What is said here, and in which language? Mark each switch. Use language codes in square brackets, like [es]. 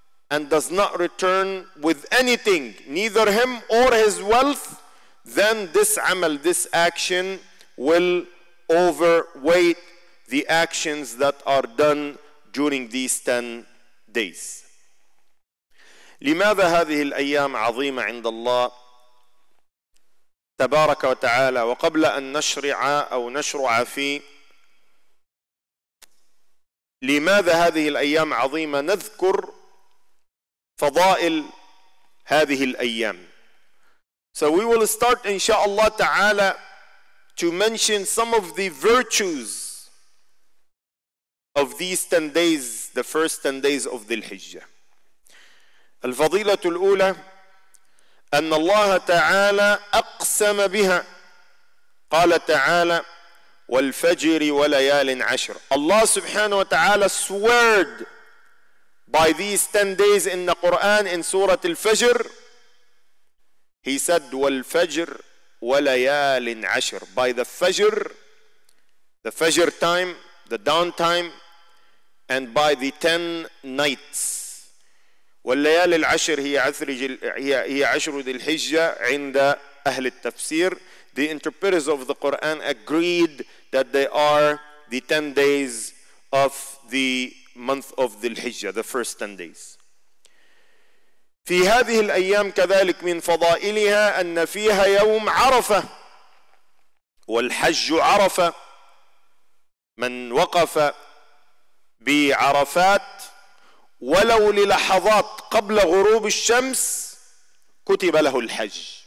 [en] and does not return with anything, neither him or his wealth, then this amal, this action, will overweight the actions that are done during these 10 days. [ar] لماذا هذه الأيام عظيمة عند الله تبارك وتعالى؟ وقبل أن نشرع أو نشرع في لماذا هذه الأيام عظيمة، نذكر فضائل هذه الأيام. [en] So we will start [ar] إن شاء الله تعالى [en] to mention some of the virtues of these 10 days, the first 10 days of the Hijjah. [ar] الفضيلة الأولى أن الله تعالى أقسم بها، قال تعالى والفجر وليال عشر. الله سبحانه وتعالى [en] swore by these 10 days in the Quran in سورة الفجر. He said [ar] والفجر وليال عشر. [en] By the فجر, the فجر time, the dawn time, and by the 10 nights. [ar] والليالي العشر هي عشر ذي الحجة عند أهل التفسير. [en] The interpreters of the Quran agreed that they are the 10 days of the month of ذي الحجة, the first 10 days. [ar] في هذه الأيام كذلك من فضائلها أن فيها يوم عرفة والحج عرفة. من وقف بعرفات ولو للحظات قبل غروب الشمس كتب له الحج.